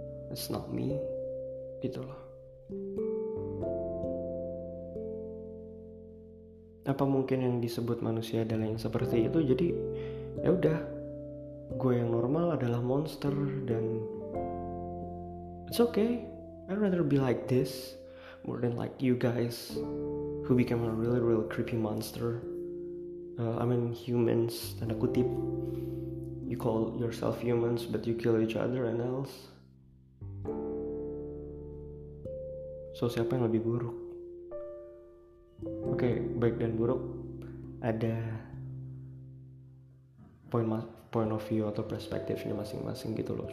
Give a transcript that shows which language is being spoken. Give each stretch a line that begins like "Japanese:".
English: It's not me.
Indonesian: Gitu lah. apa mungkin yang disebut manusia adalah yang seperti itu. Jadi ya udah, gue yang normal adalah monster, dan
English: it's okay. I'd rather be like this more than like you guys who became a really really creepy monster. I mean humans,
Indonesian: tanda kutip.
English: You call yourself humans but you kill each other and else.
Indonesian: So siapa yang lebih buruk? Oke, baik dan buruk ada point of view atau perspektifnya masing-masing gitu loh.